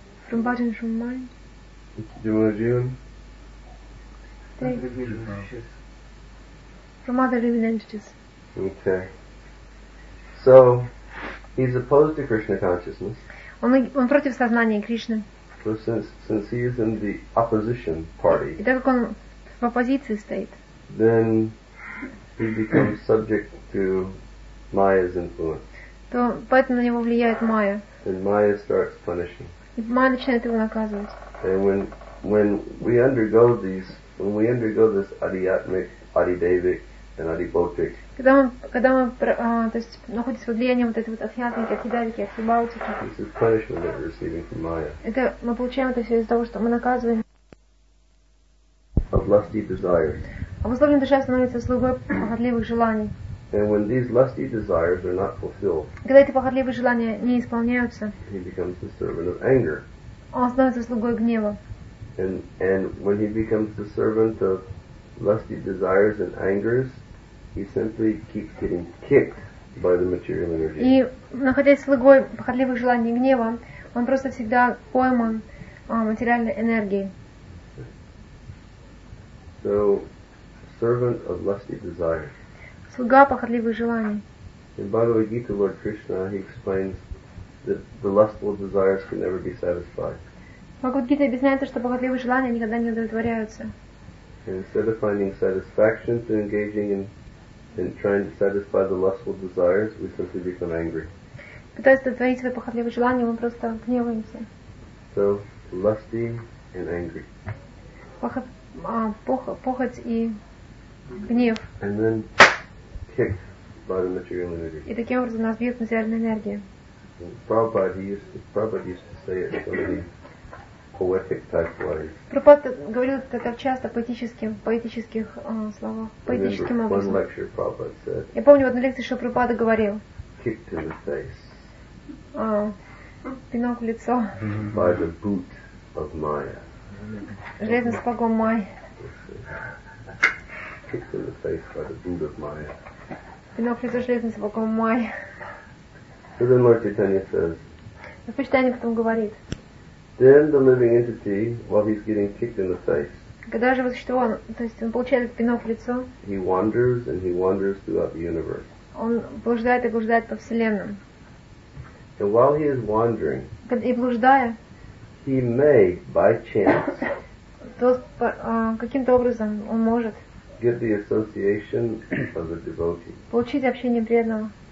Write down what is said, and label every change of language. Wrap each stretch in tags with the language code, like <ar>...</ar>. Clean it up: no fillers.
<en>From body and from mind. Dimension. From other living entities. Okay. So, he's opposed to Krishna consciousness.</en> <ru>Он против сознания Кришны.</ru> <en>So since he is in the opposition party.</en> <ru>И так как он в оппозиции стоит.</ru> <en>Then he becomes subject to Maya's influence.</en> <ru>То поэтому на него влияет Майя.</ru> <en>And Maya starts punishing.</en> <ru>И Майя начинает его наказывать.</ru> <en>And when we undergo these, when we undergo this adiatmic, adidevic, and adibhautic.</en> <ru>Когда мы, то есть находимся под влиянием вот этой вот адиатмики, адидевики, адибхаутики.</ru> <en>This is punishment that we're receiving from Maya.</en> <ru>Это мы получаем это все из-за того, что мы наказываем.</ru> <en>Of lusty desires.</en> <ru>Обусловленная душа становится слугой похотливых желаний.</ru> <en>And when these lusty desires are not fulfilled,</en> <ru>когда эти похотливые желания не исполняются,</ru> <en>he becomes the servant of anger.</en> <ru>Он становится слугой гнева.</ru> <en>And when he becomes the servant of lusty desires and angers, he simply keeps getting kicked by the material energy.</en> <ru>И находясь слугой похотливых желаний и гнева, он просто всегда пойман материальной энергией.</ru> <en>So, servant of lusty desires.</en> <ru>Слуга похотливых желаний.</ru> <en>In Bhagavad Gita, Lord Krishna, he explains that the lustful desires can never be satisfied.</en> <ru>Бхагавад Гита объясняет, что похотливые желания никогда не удовлетворяются.</ru> <en>Instead of finding satisfaction through engaging in trying to satisfy the lustful desires, we simply become angry.</en> <ru>Пытаясь удовлетворить свои похотливые желания, мы просто гневаемся.</ru> <en>So, lusty and angry.</en> <ru>Похоть и гнев.</ru> <en>And then kicked by the material energy.</en> <ru>И таким образом нас бьет материальная энергия.</ru> <en>Prabhupada used to say it to me. Poetic type ways.</en> <ru>Prabhupada говорил это часто поэтических словах, поэтическим образом.</ru> <en>One lecture Prabhupada said.</en> <ru>Я помню в одной лекции, что Прабхупада говорил.</ru> <en>Kicked in the face.</en> <ru>Пинок в лицо.</ru> <en>By the boot of Maya.</en> <ru>Железным сапогом Майи.</ru> <en>Kicked in the face by the boot of Maya.</en> <ru>Пинок в лицо железным сапогом Майи.</ru> <en>So then Lord Chaitanya says.</en> <ru>Но Почитание потом говорит.</ru> <en>Then the living entity, while he's getting kicked in the face,</en> <ru>когда же что он, то есть он получает пинок в лицо,</ru> <en>he wanders and he wanders throughout the universe.</en> <ru>Он блуждает и блуждает по вселенным.</ru> <en>And while he is wandering,</en> <ru>и блуждая,</ru> <en>he may, by chance,</en> <ru>то каким-то образом он может</ru> <en>get the association of the devotee.</en> <ru>Получить общение преданного.</ru>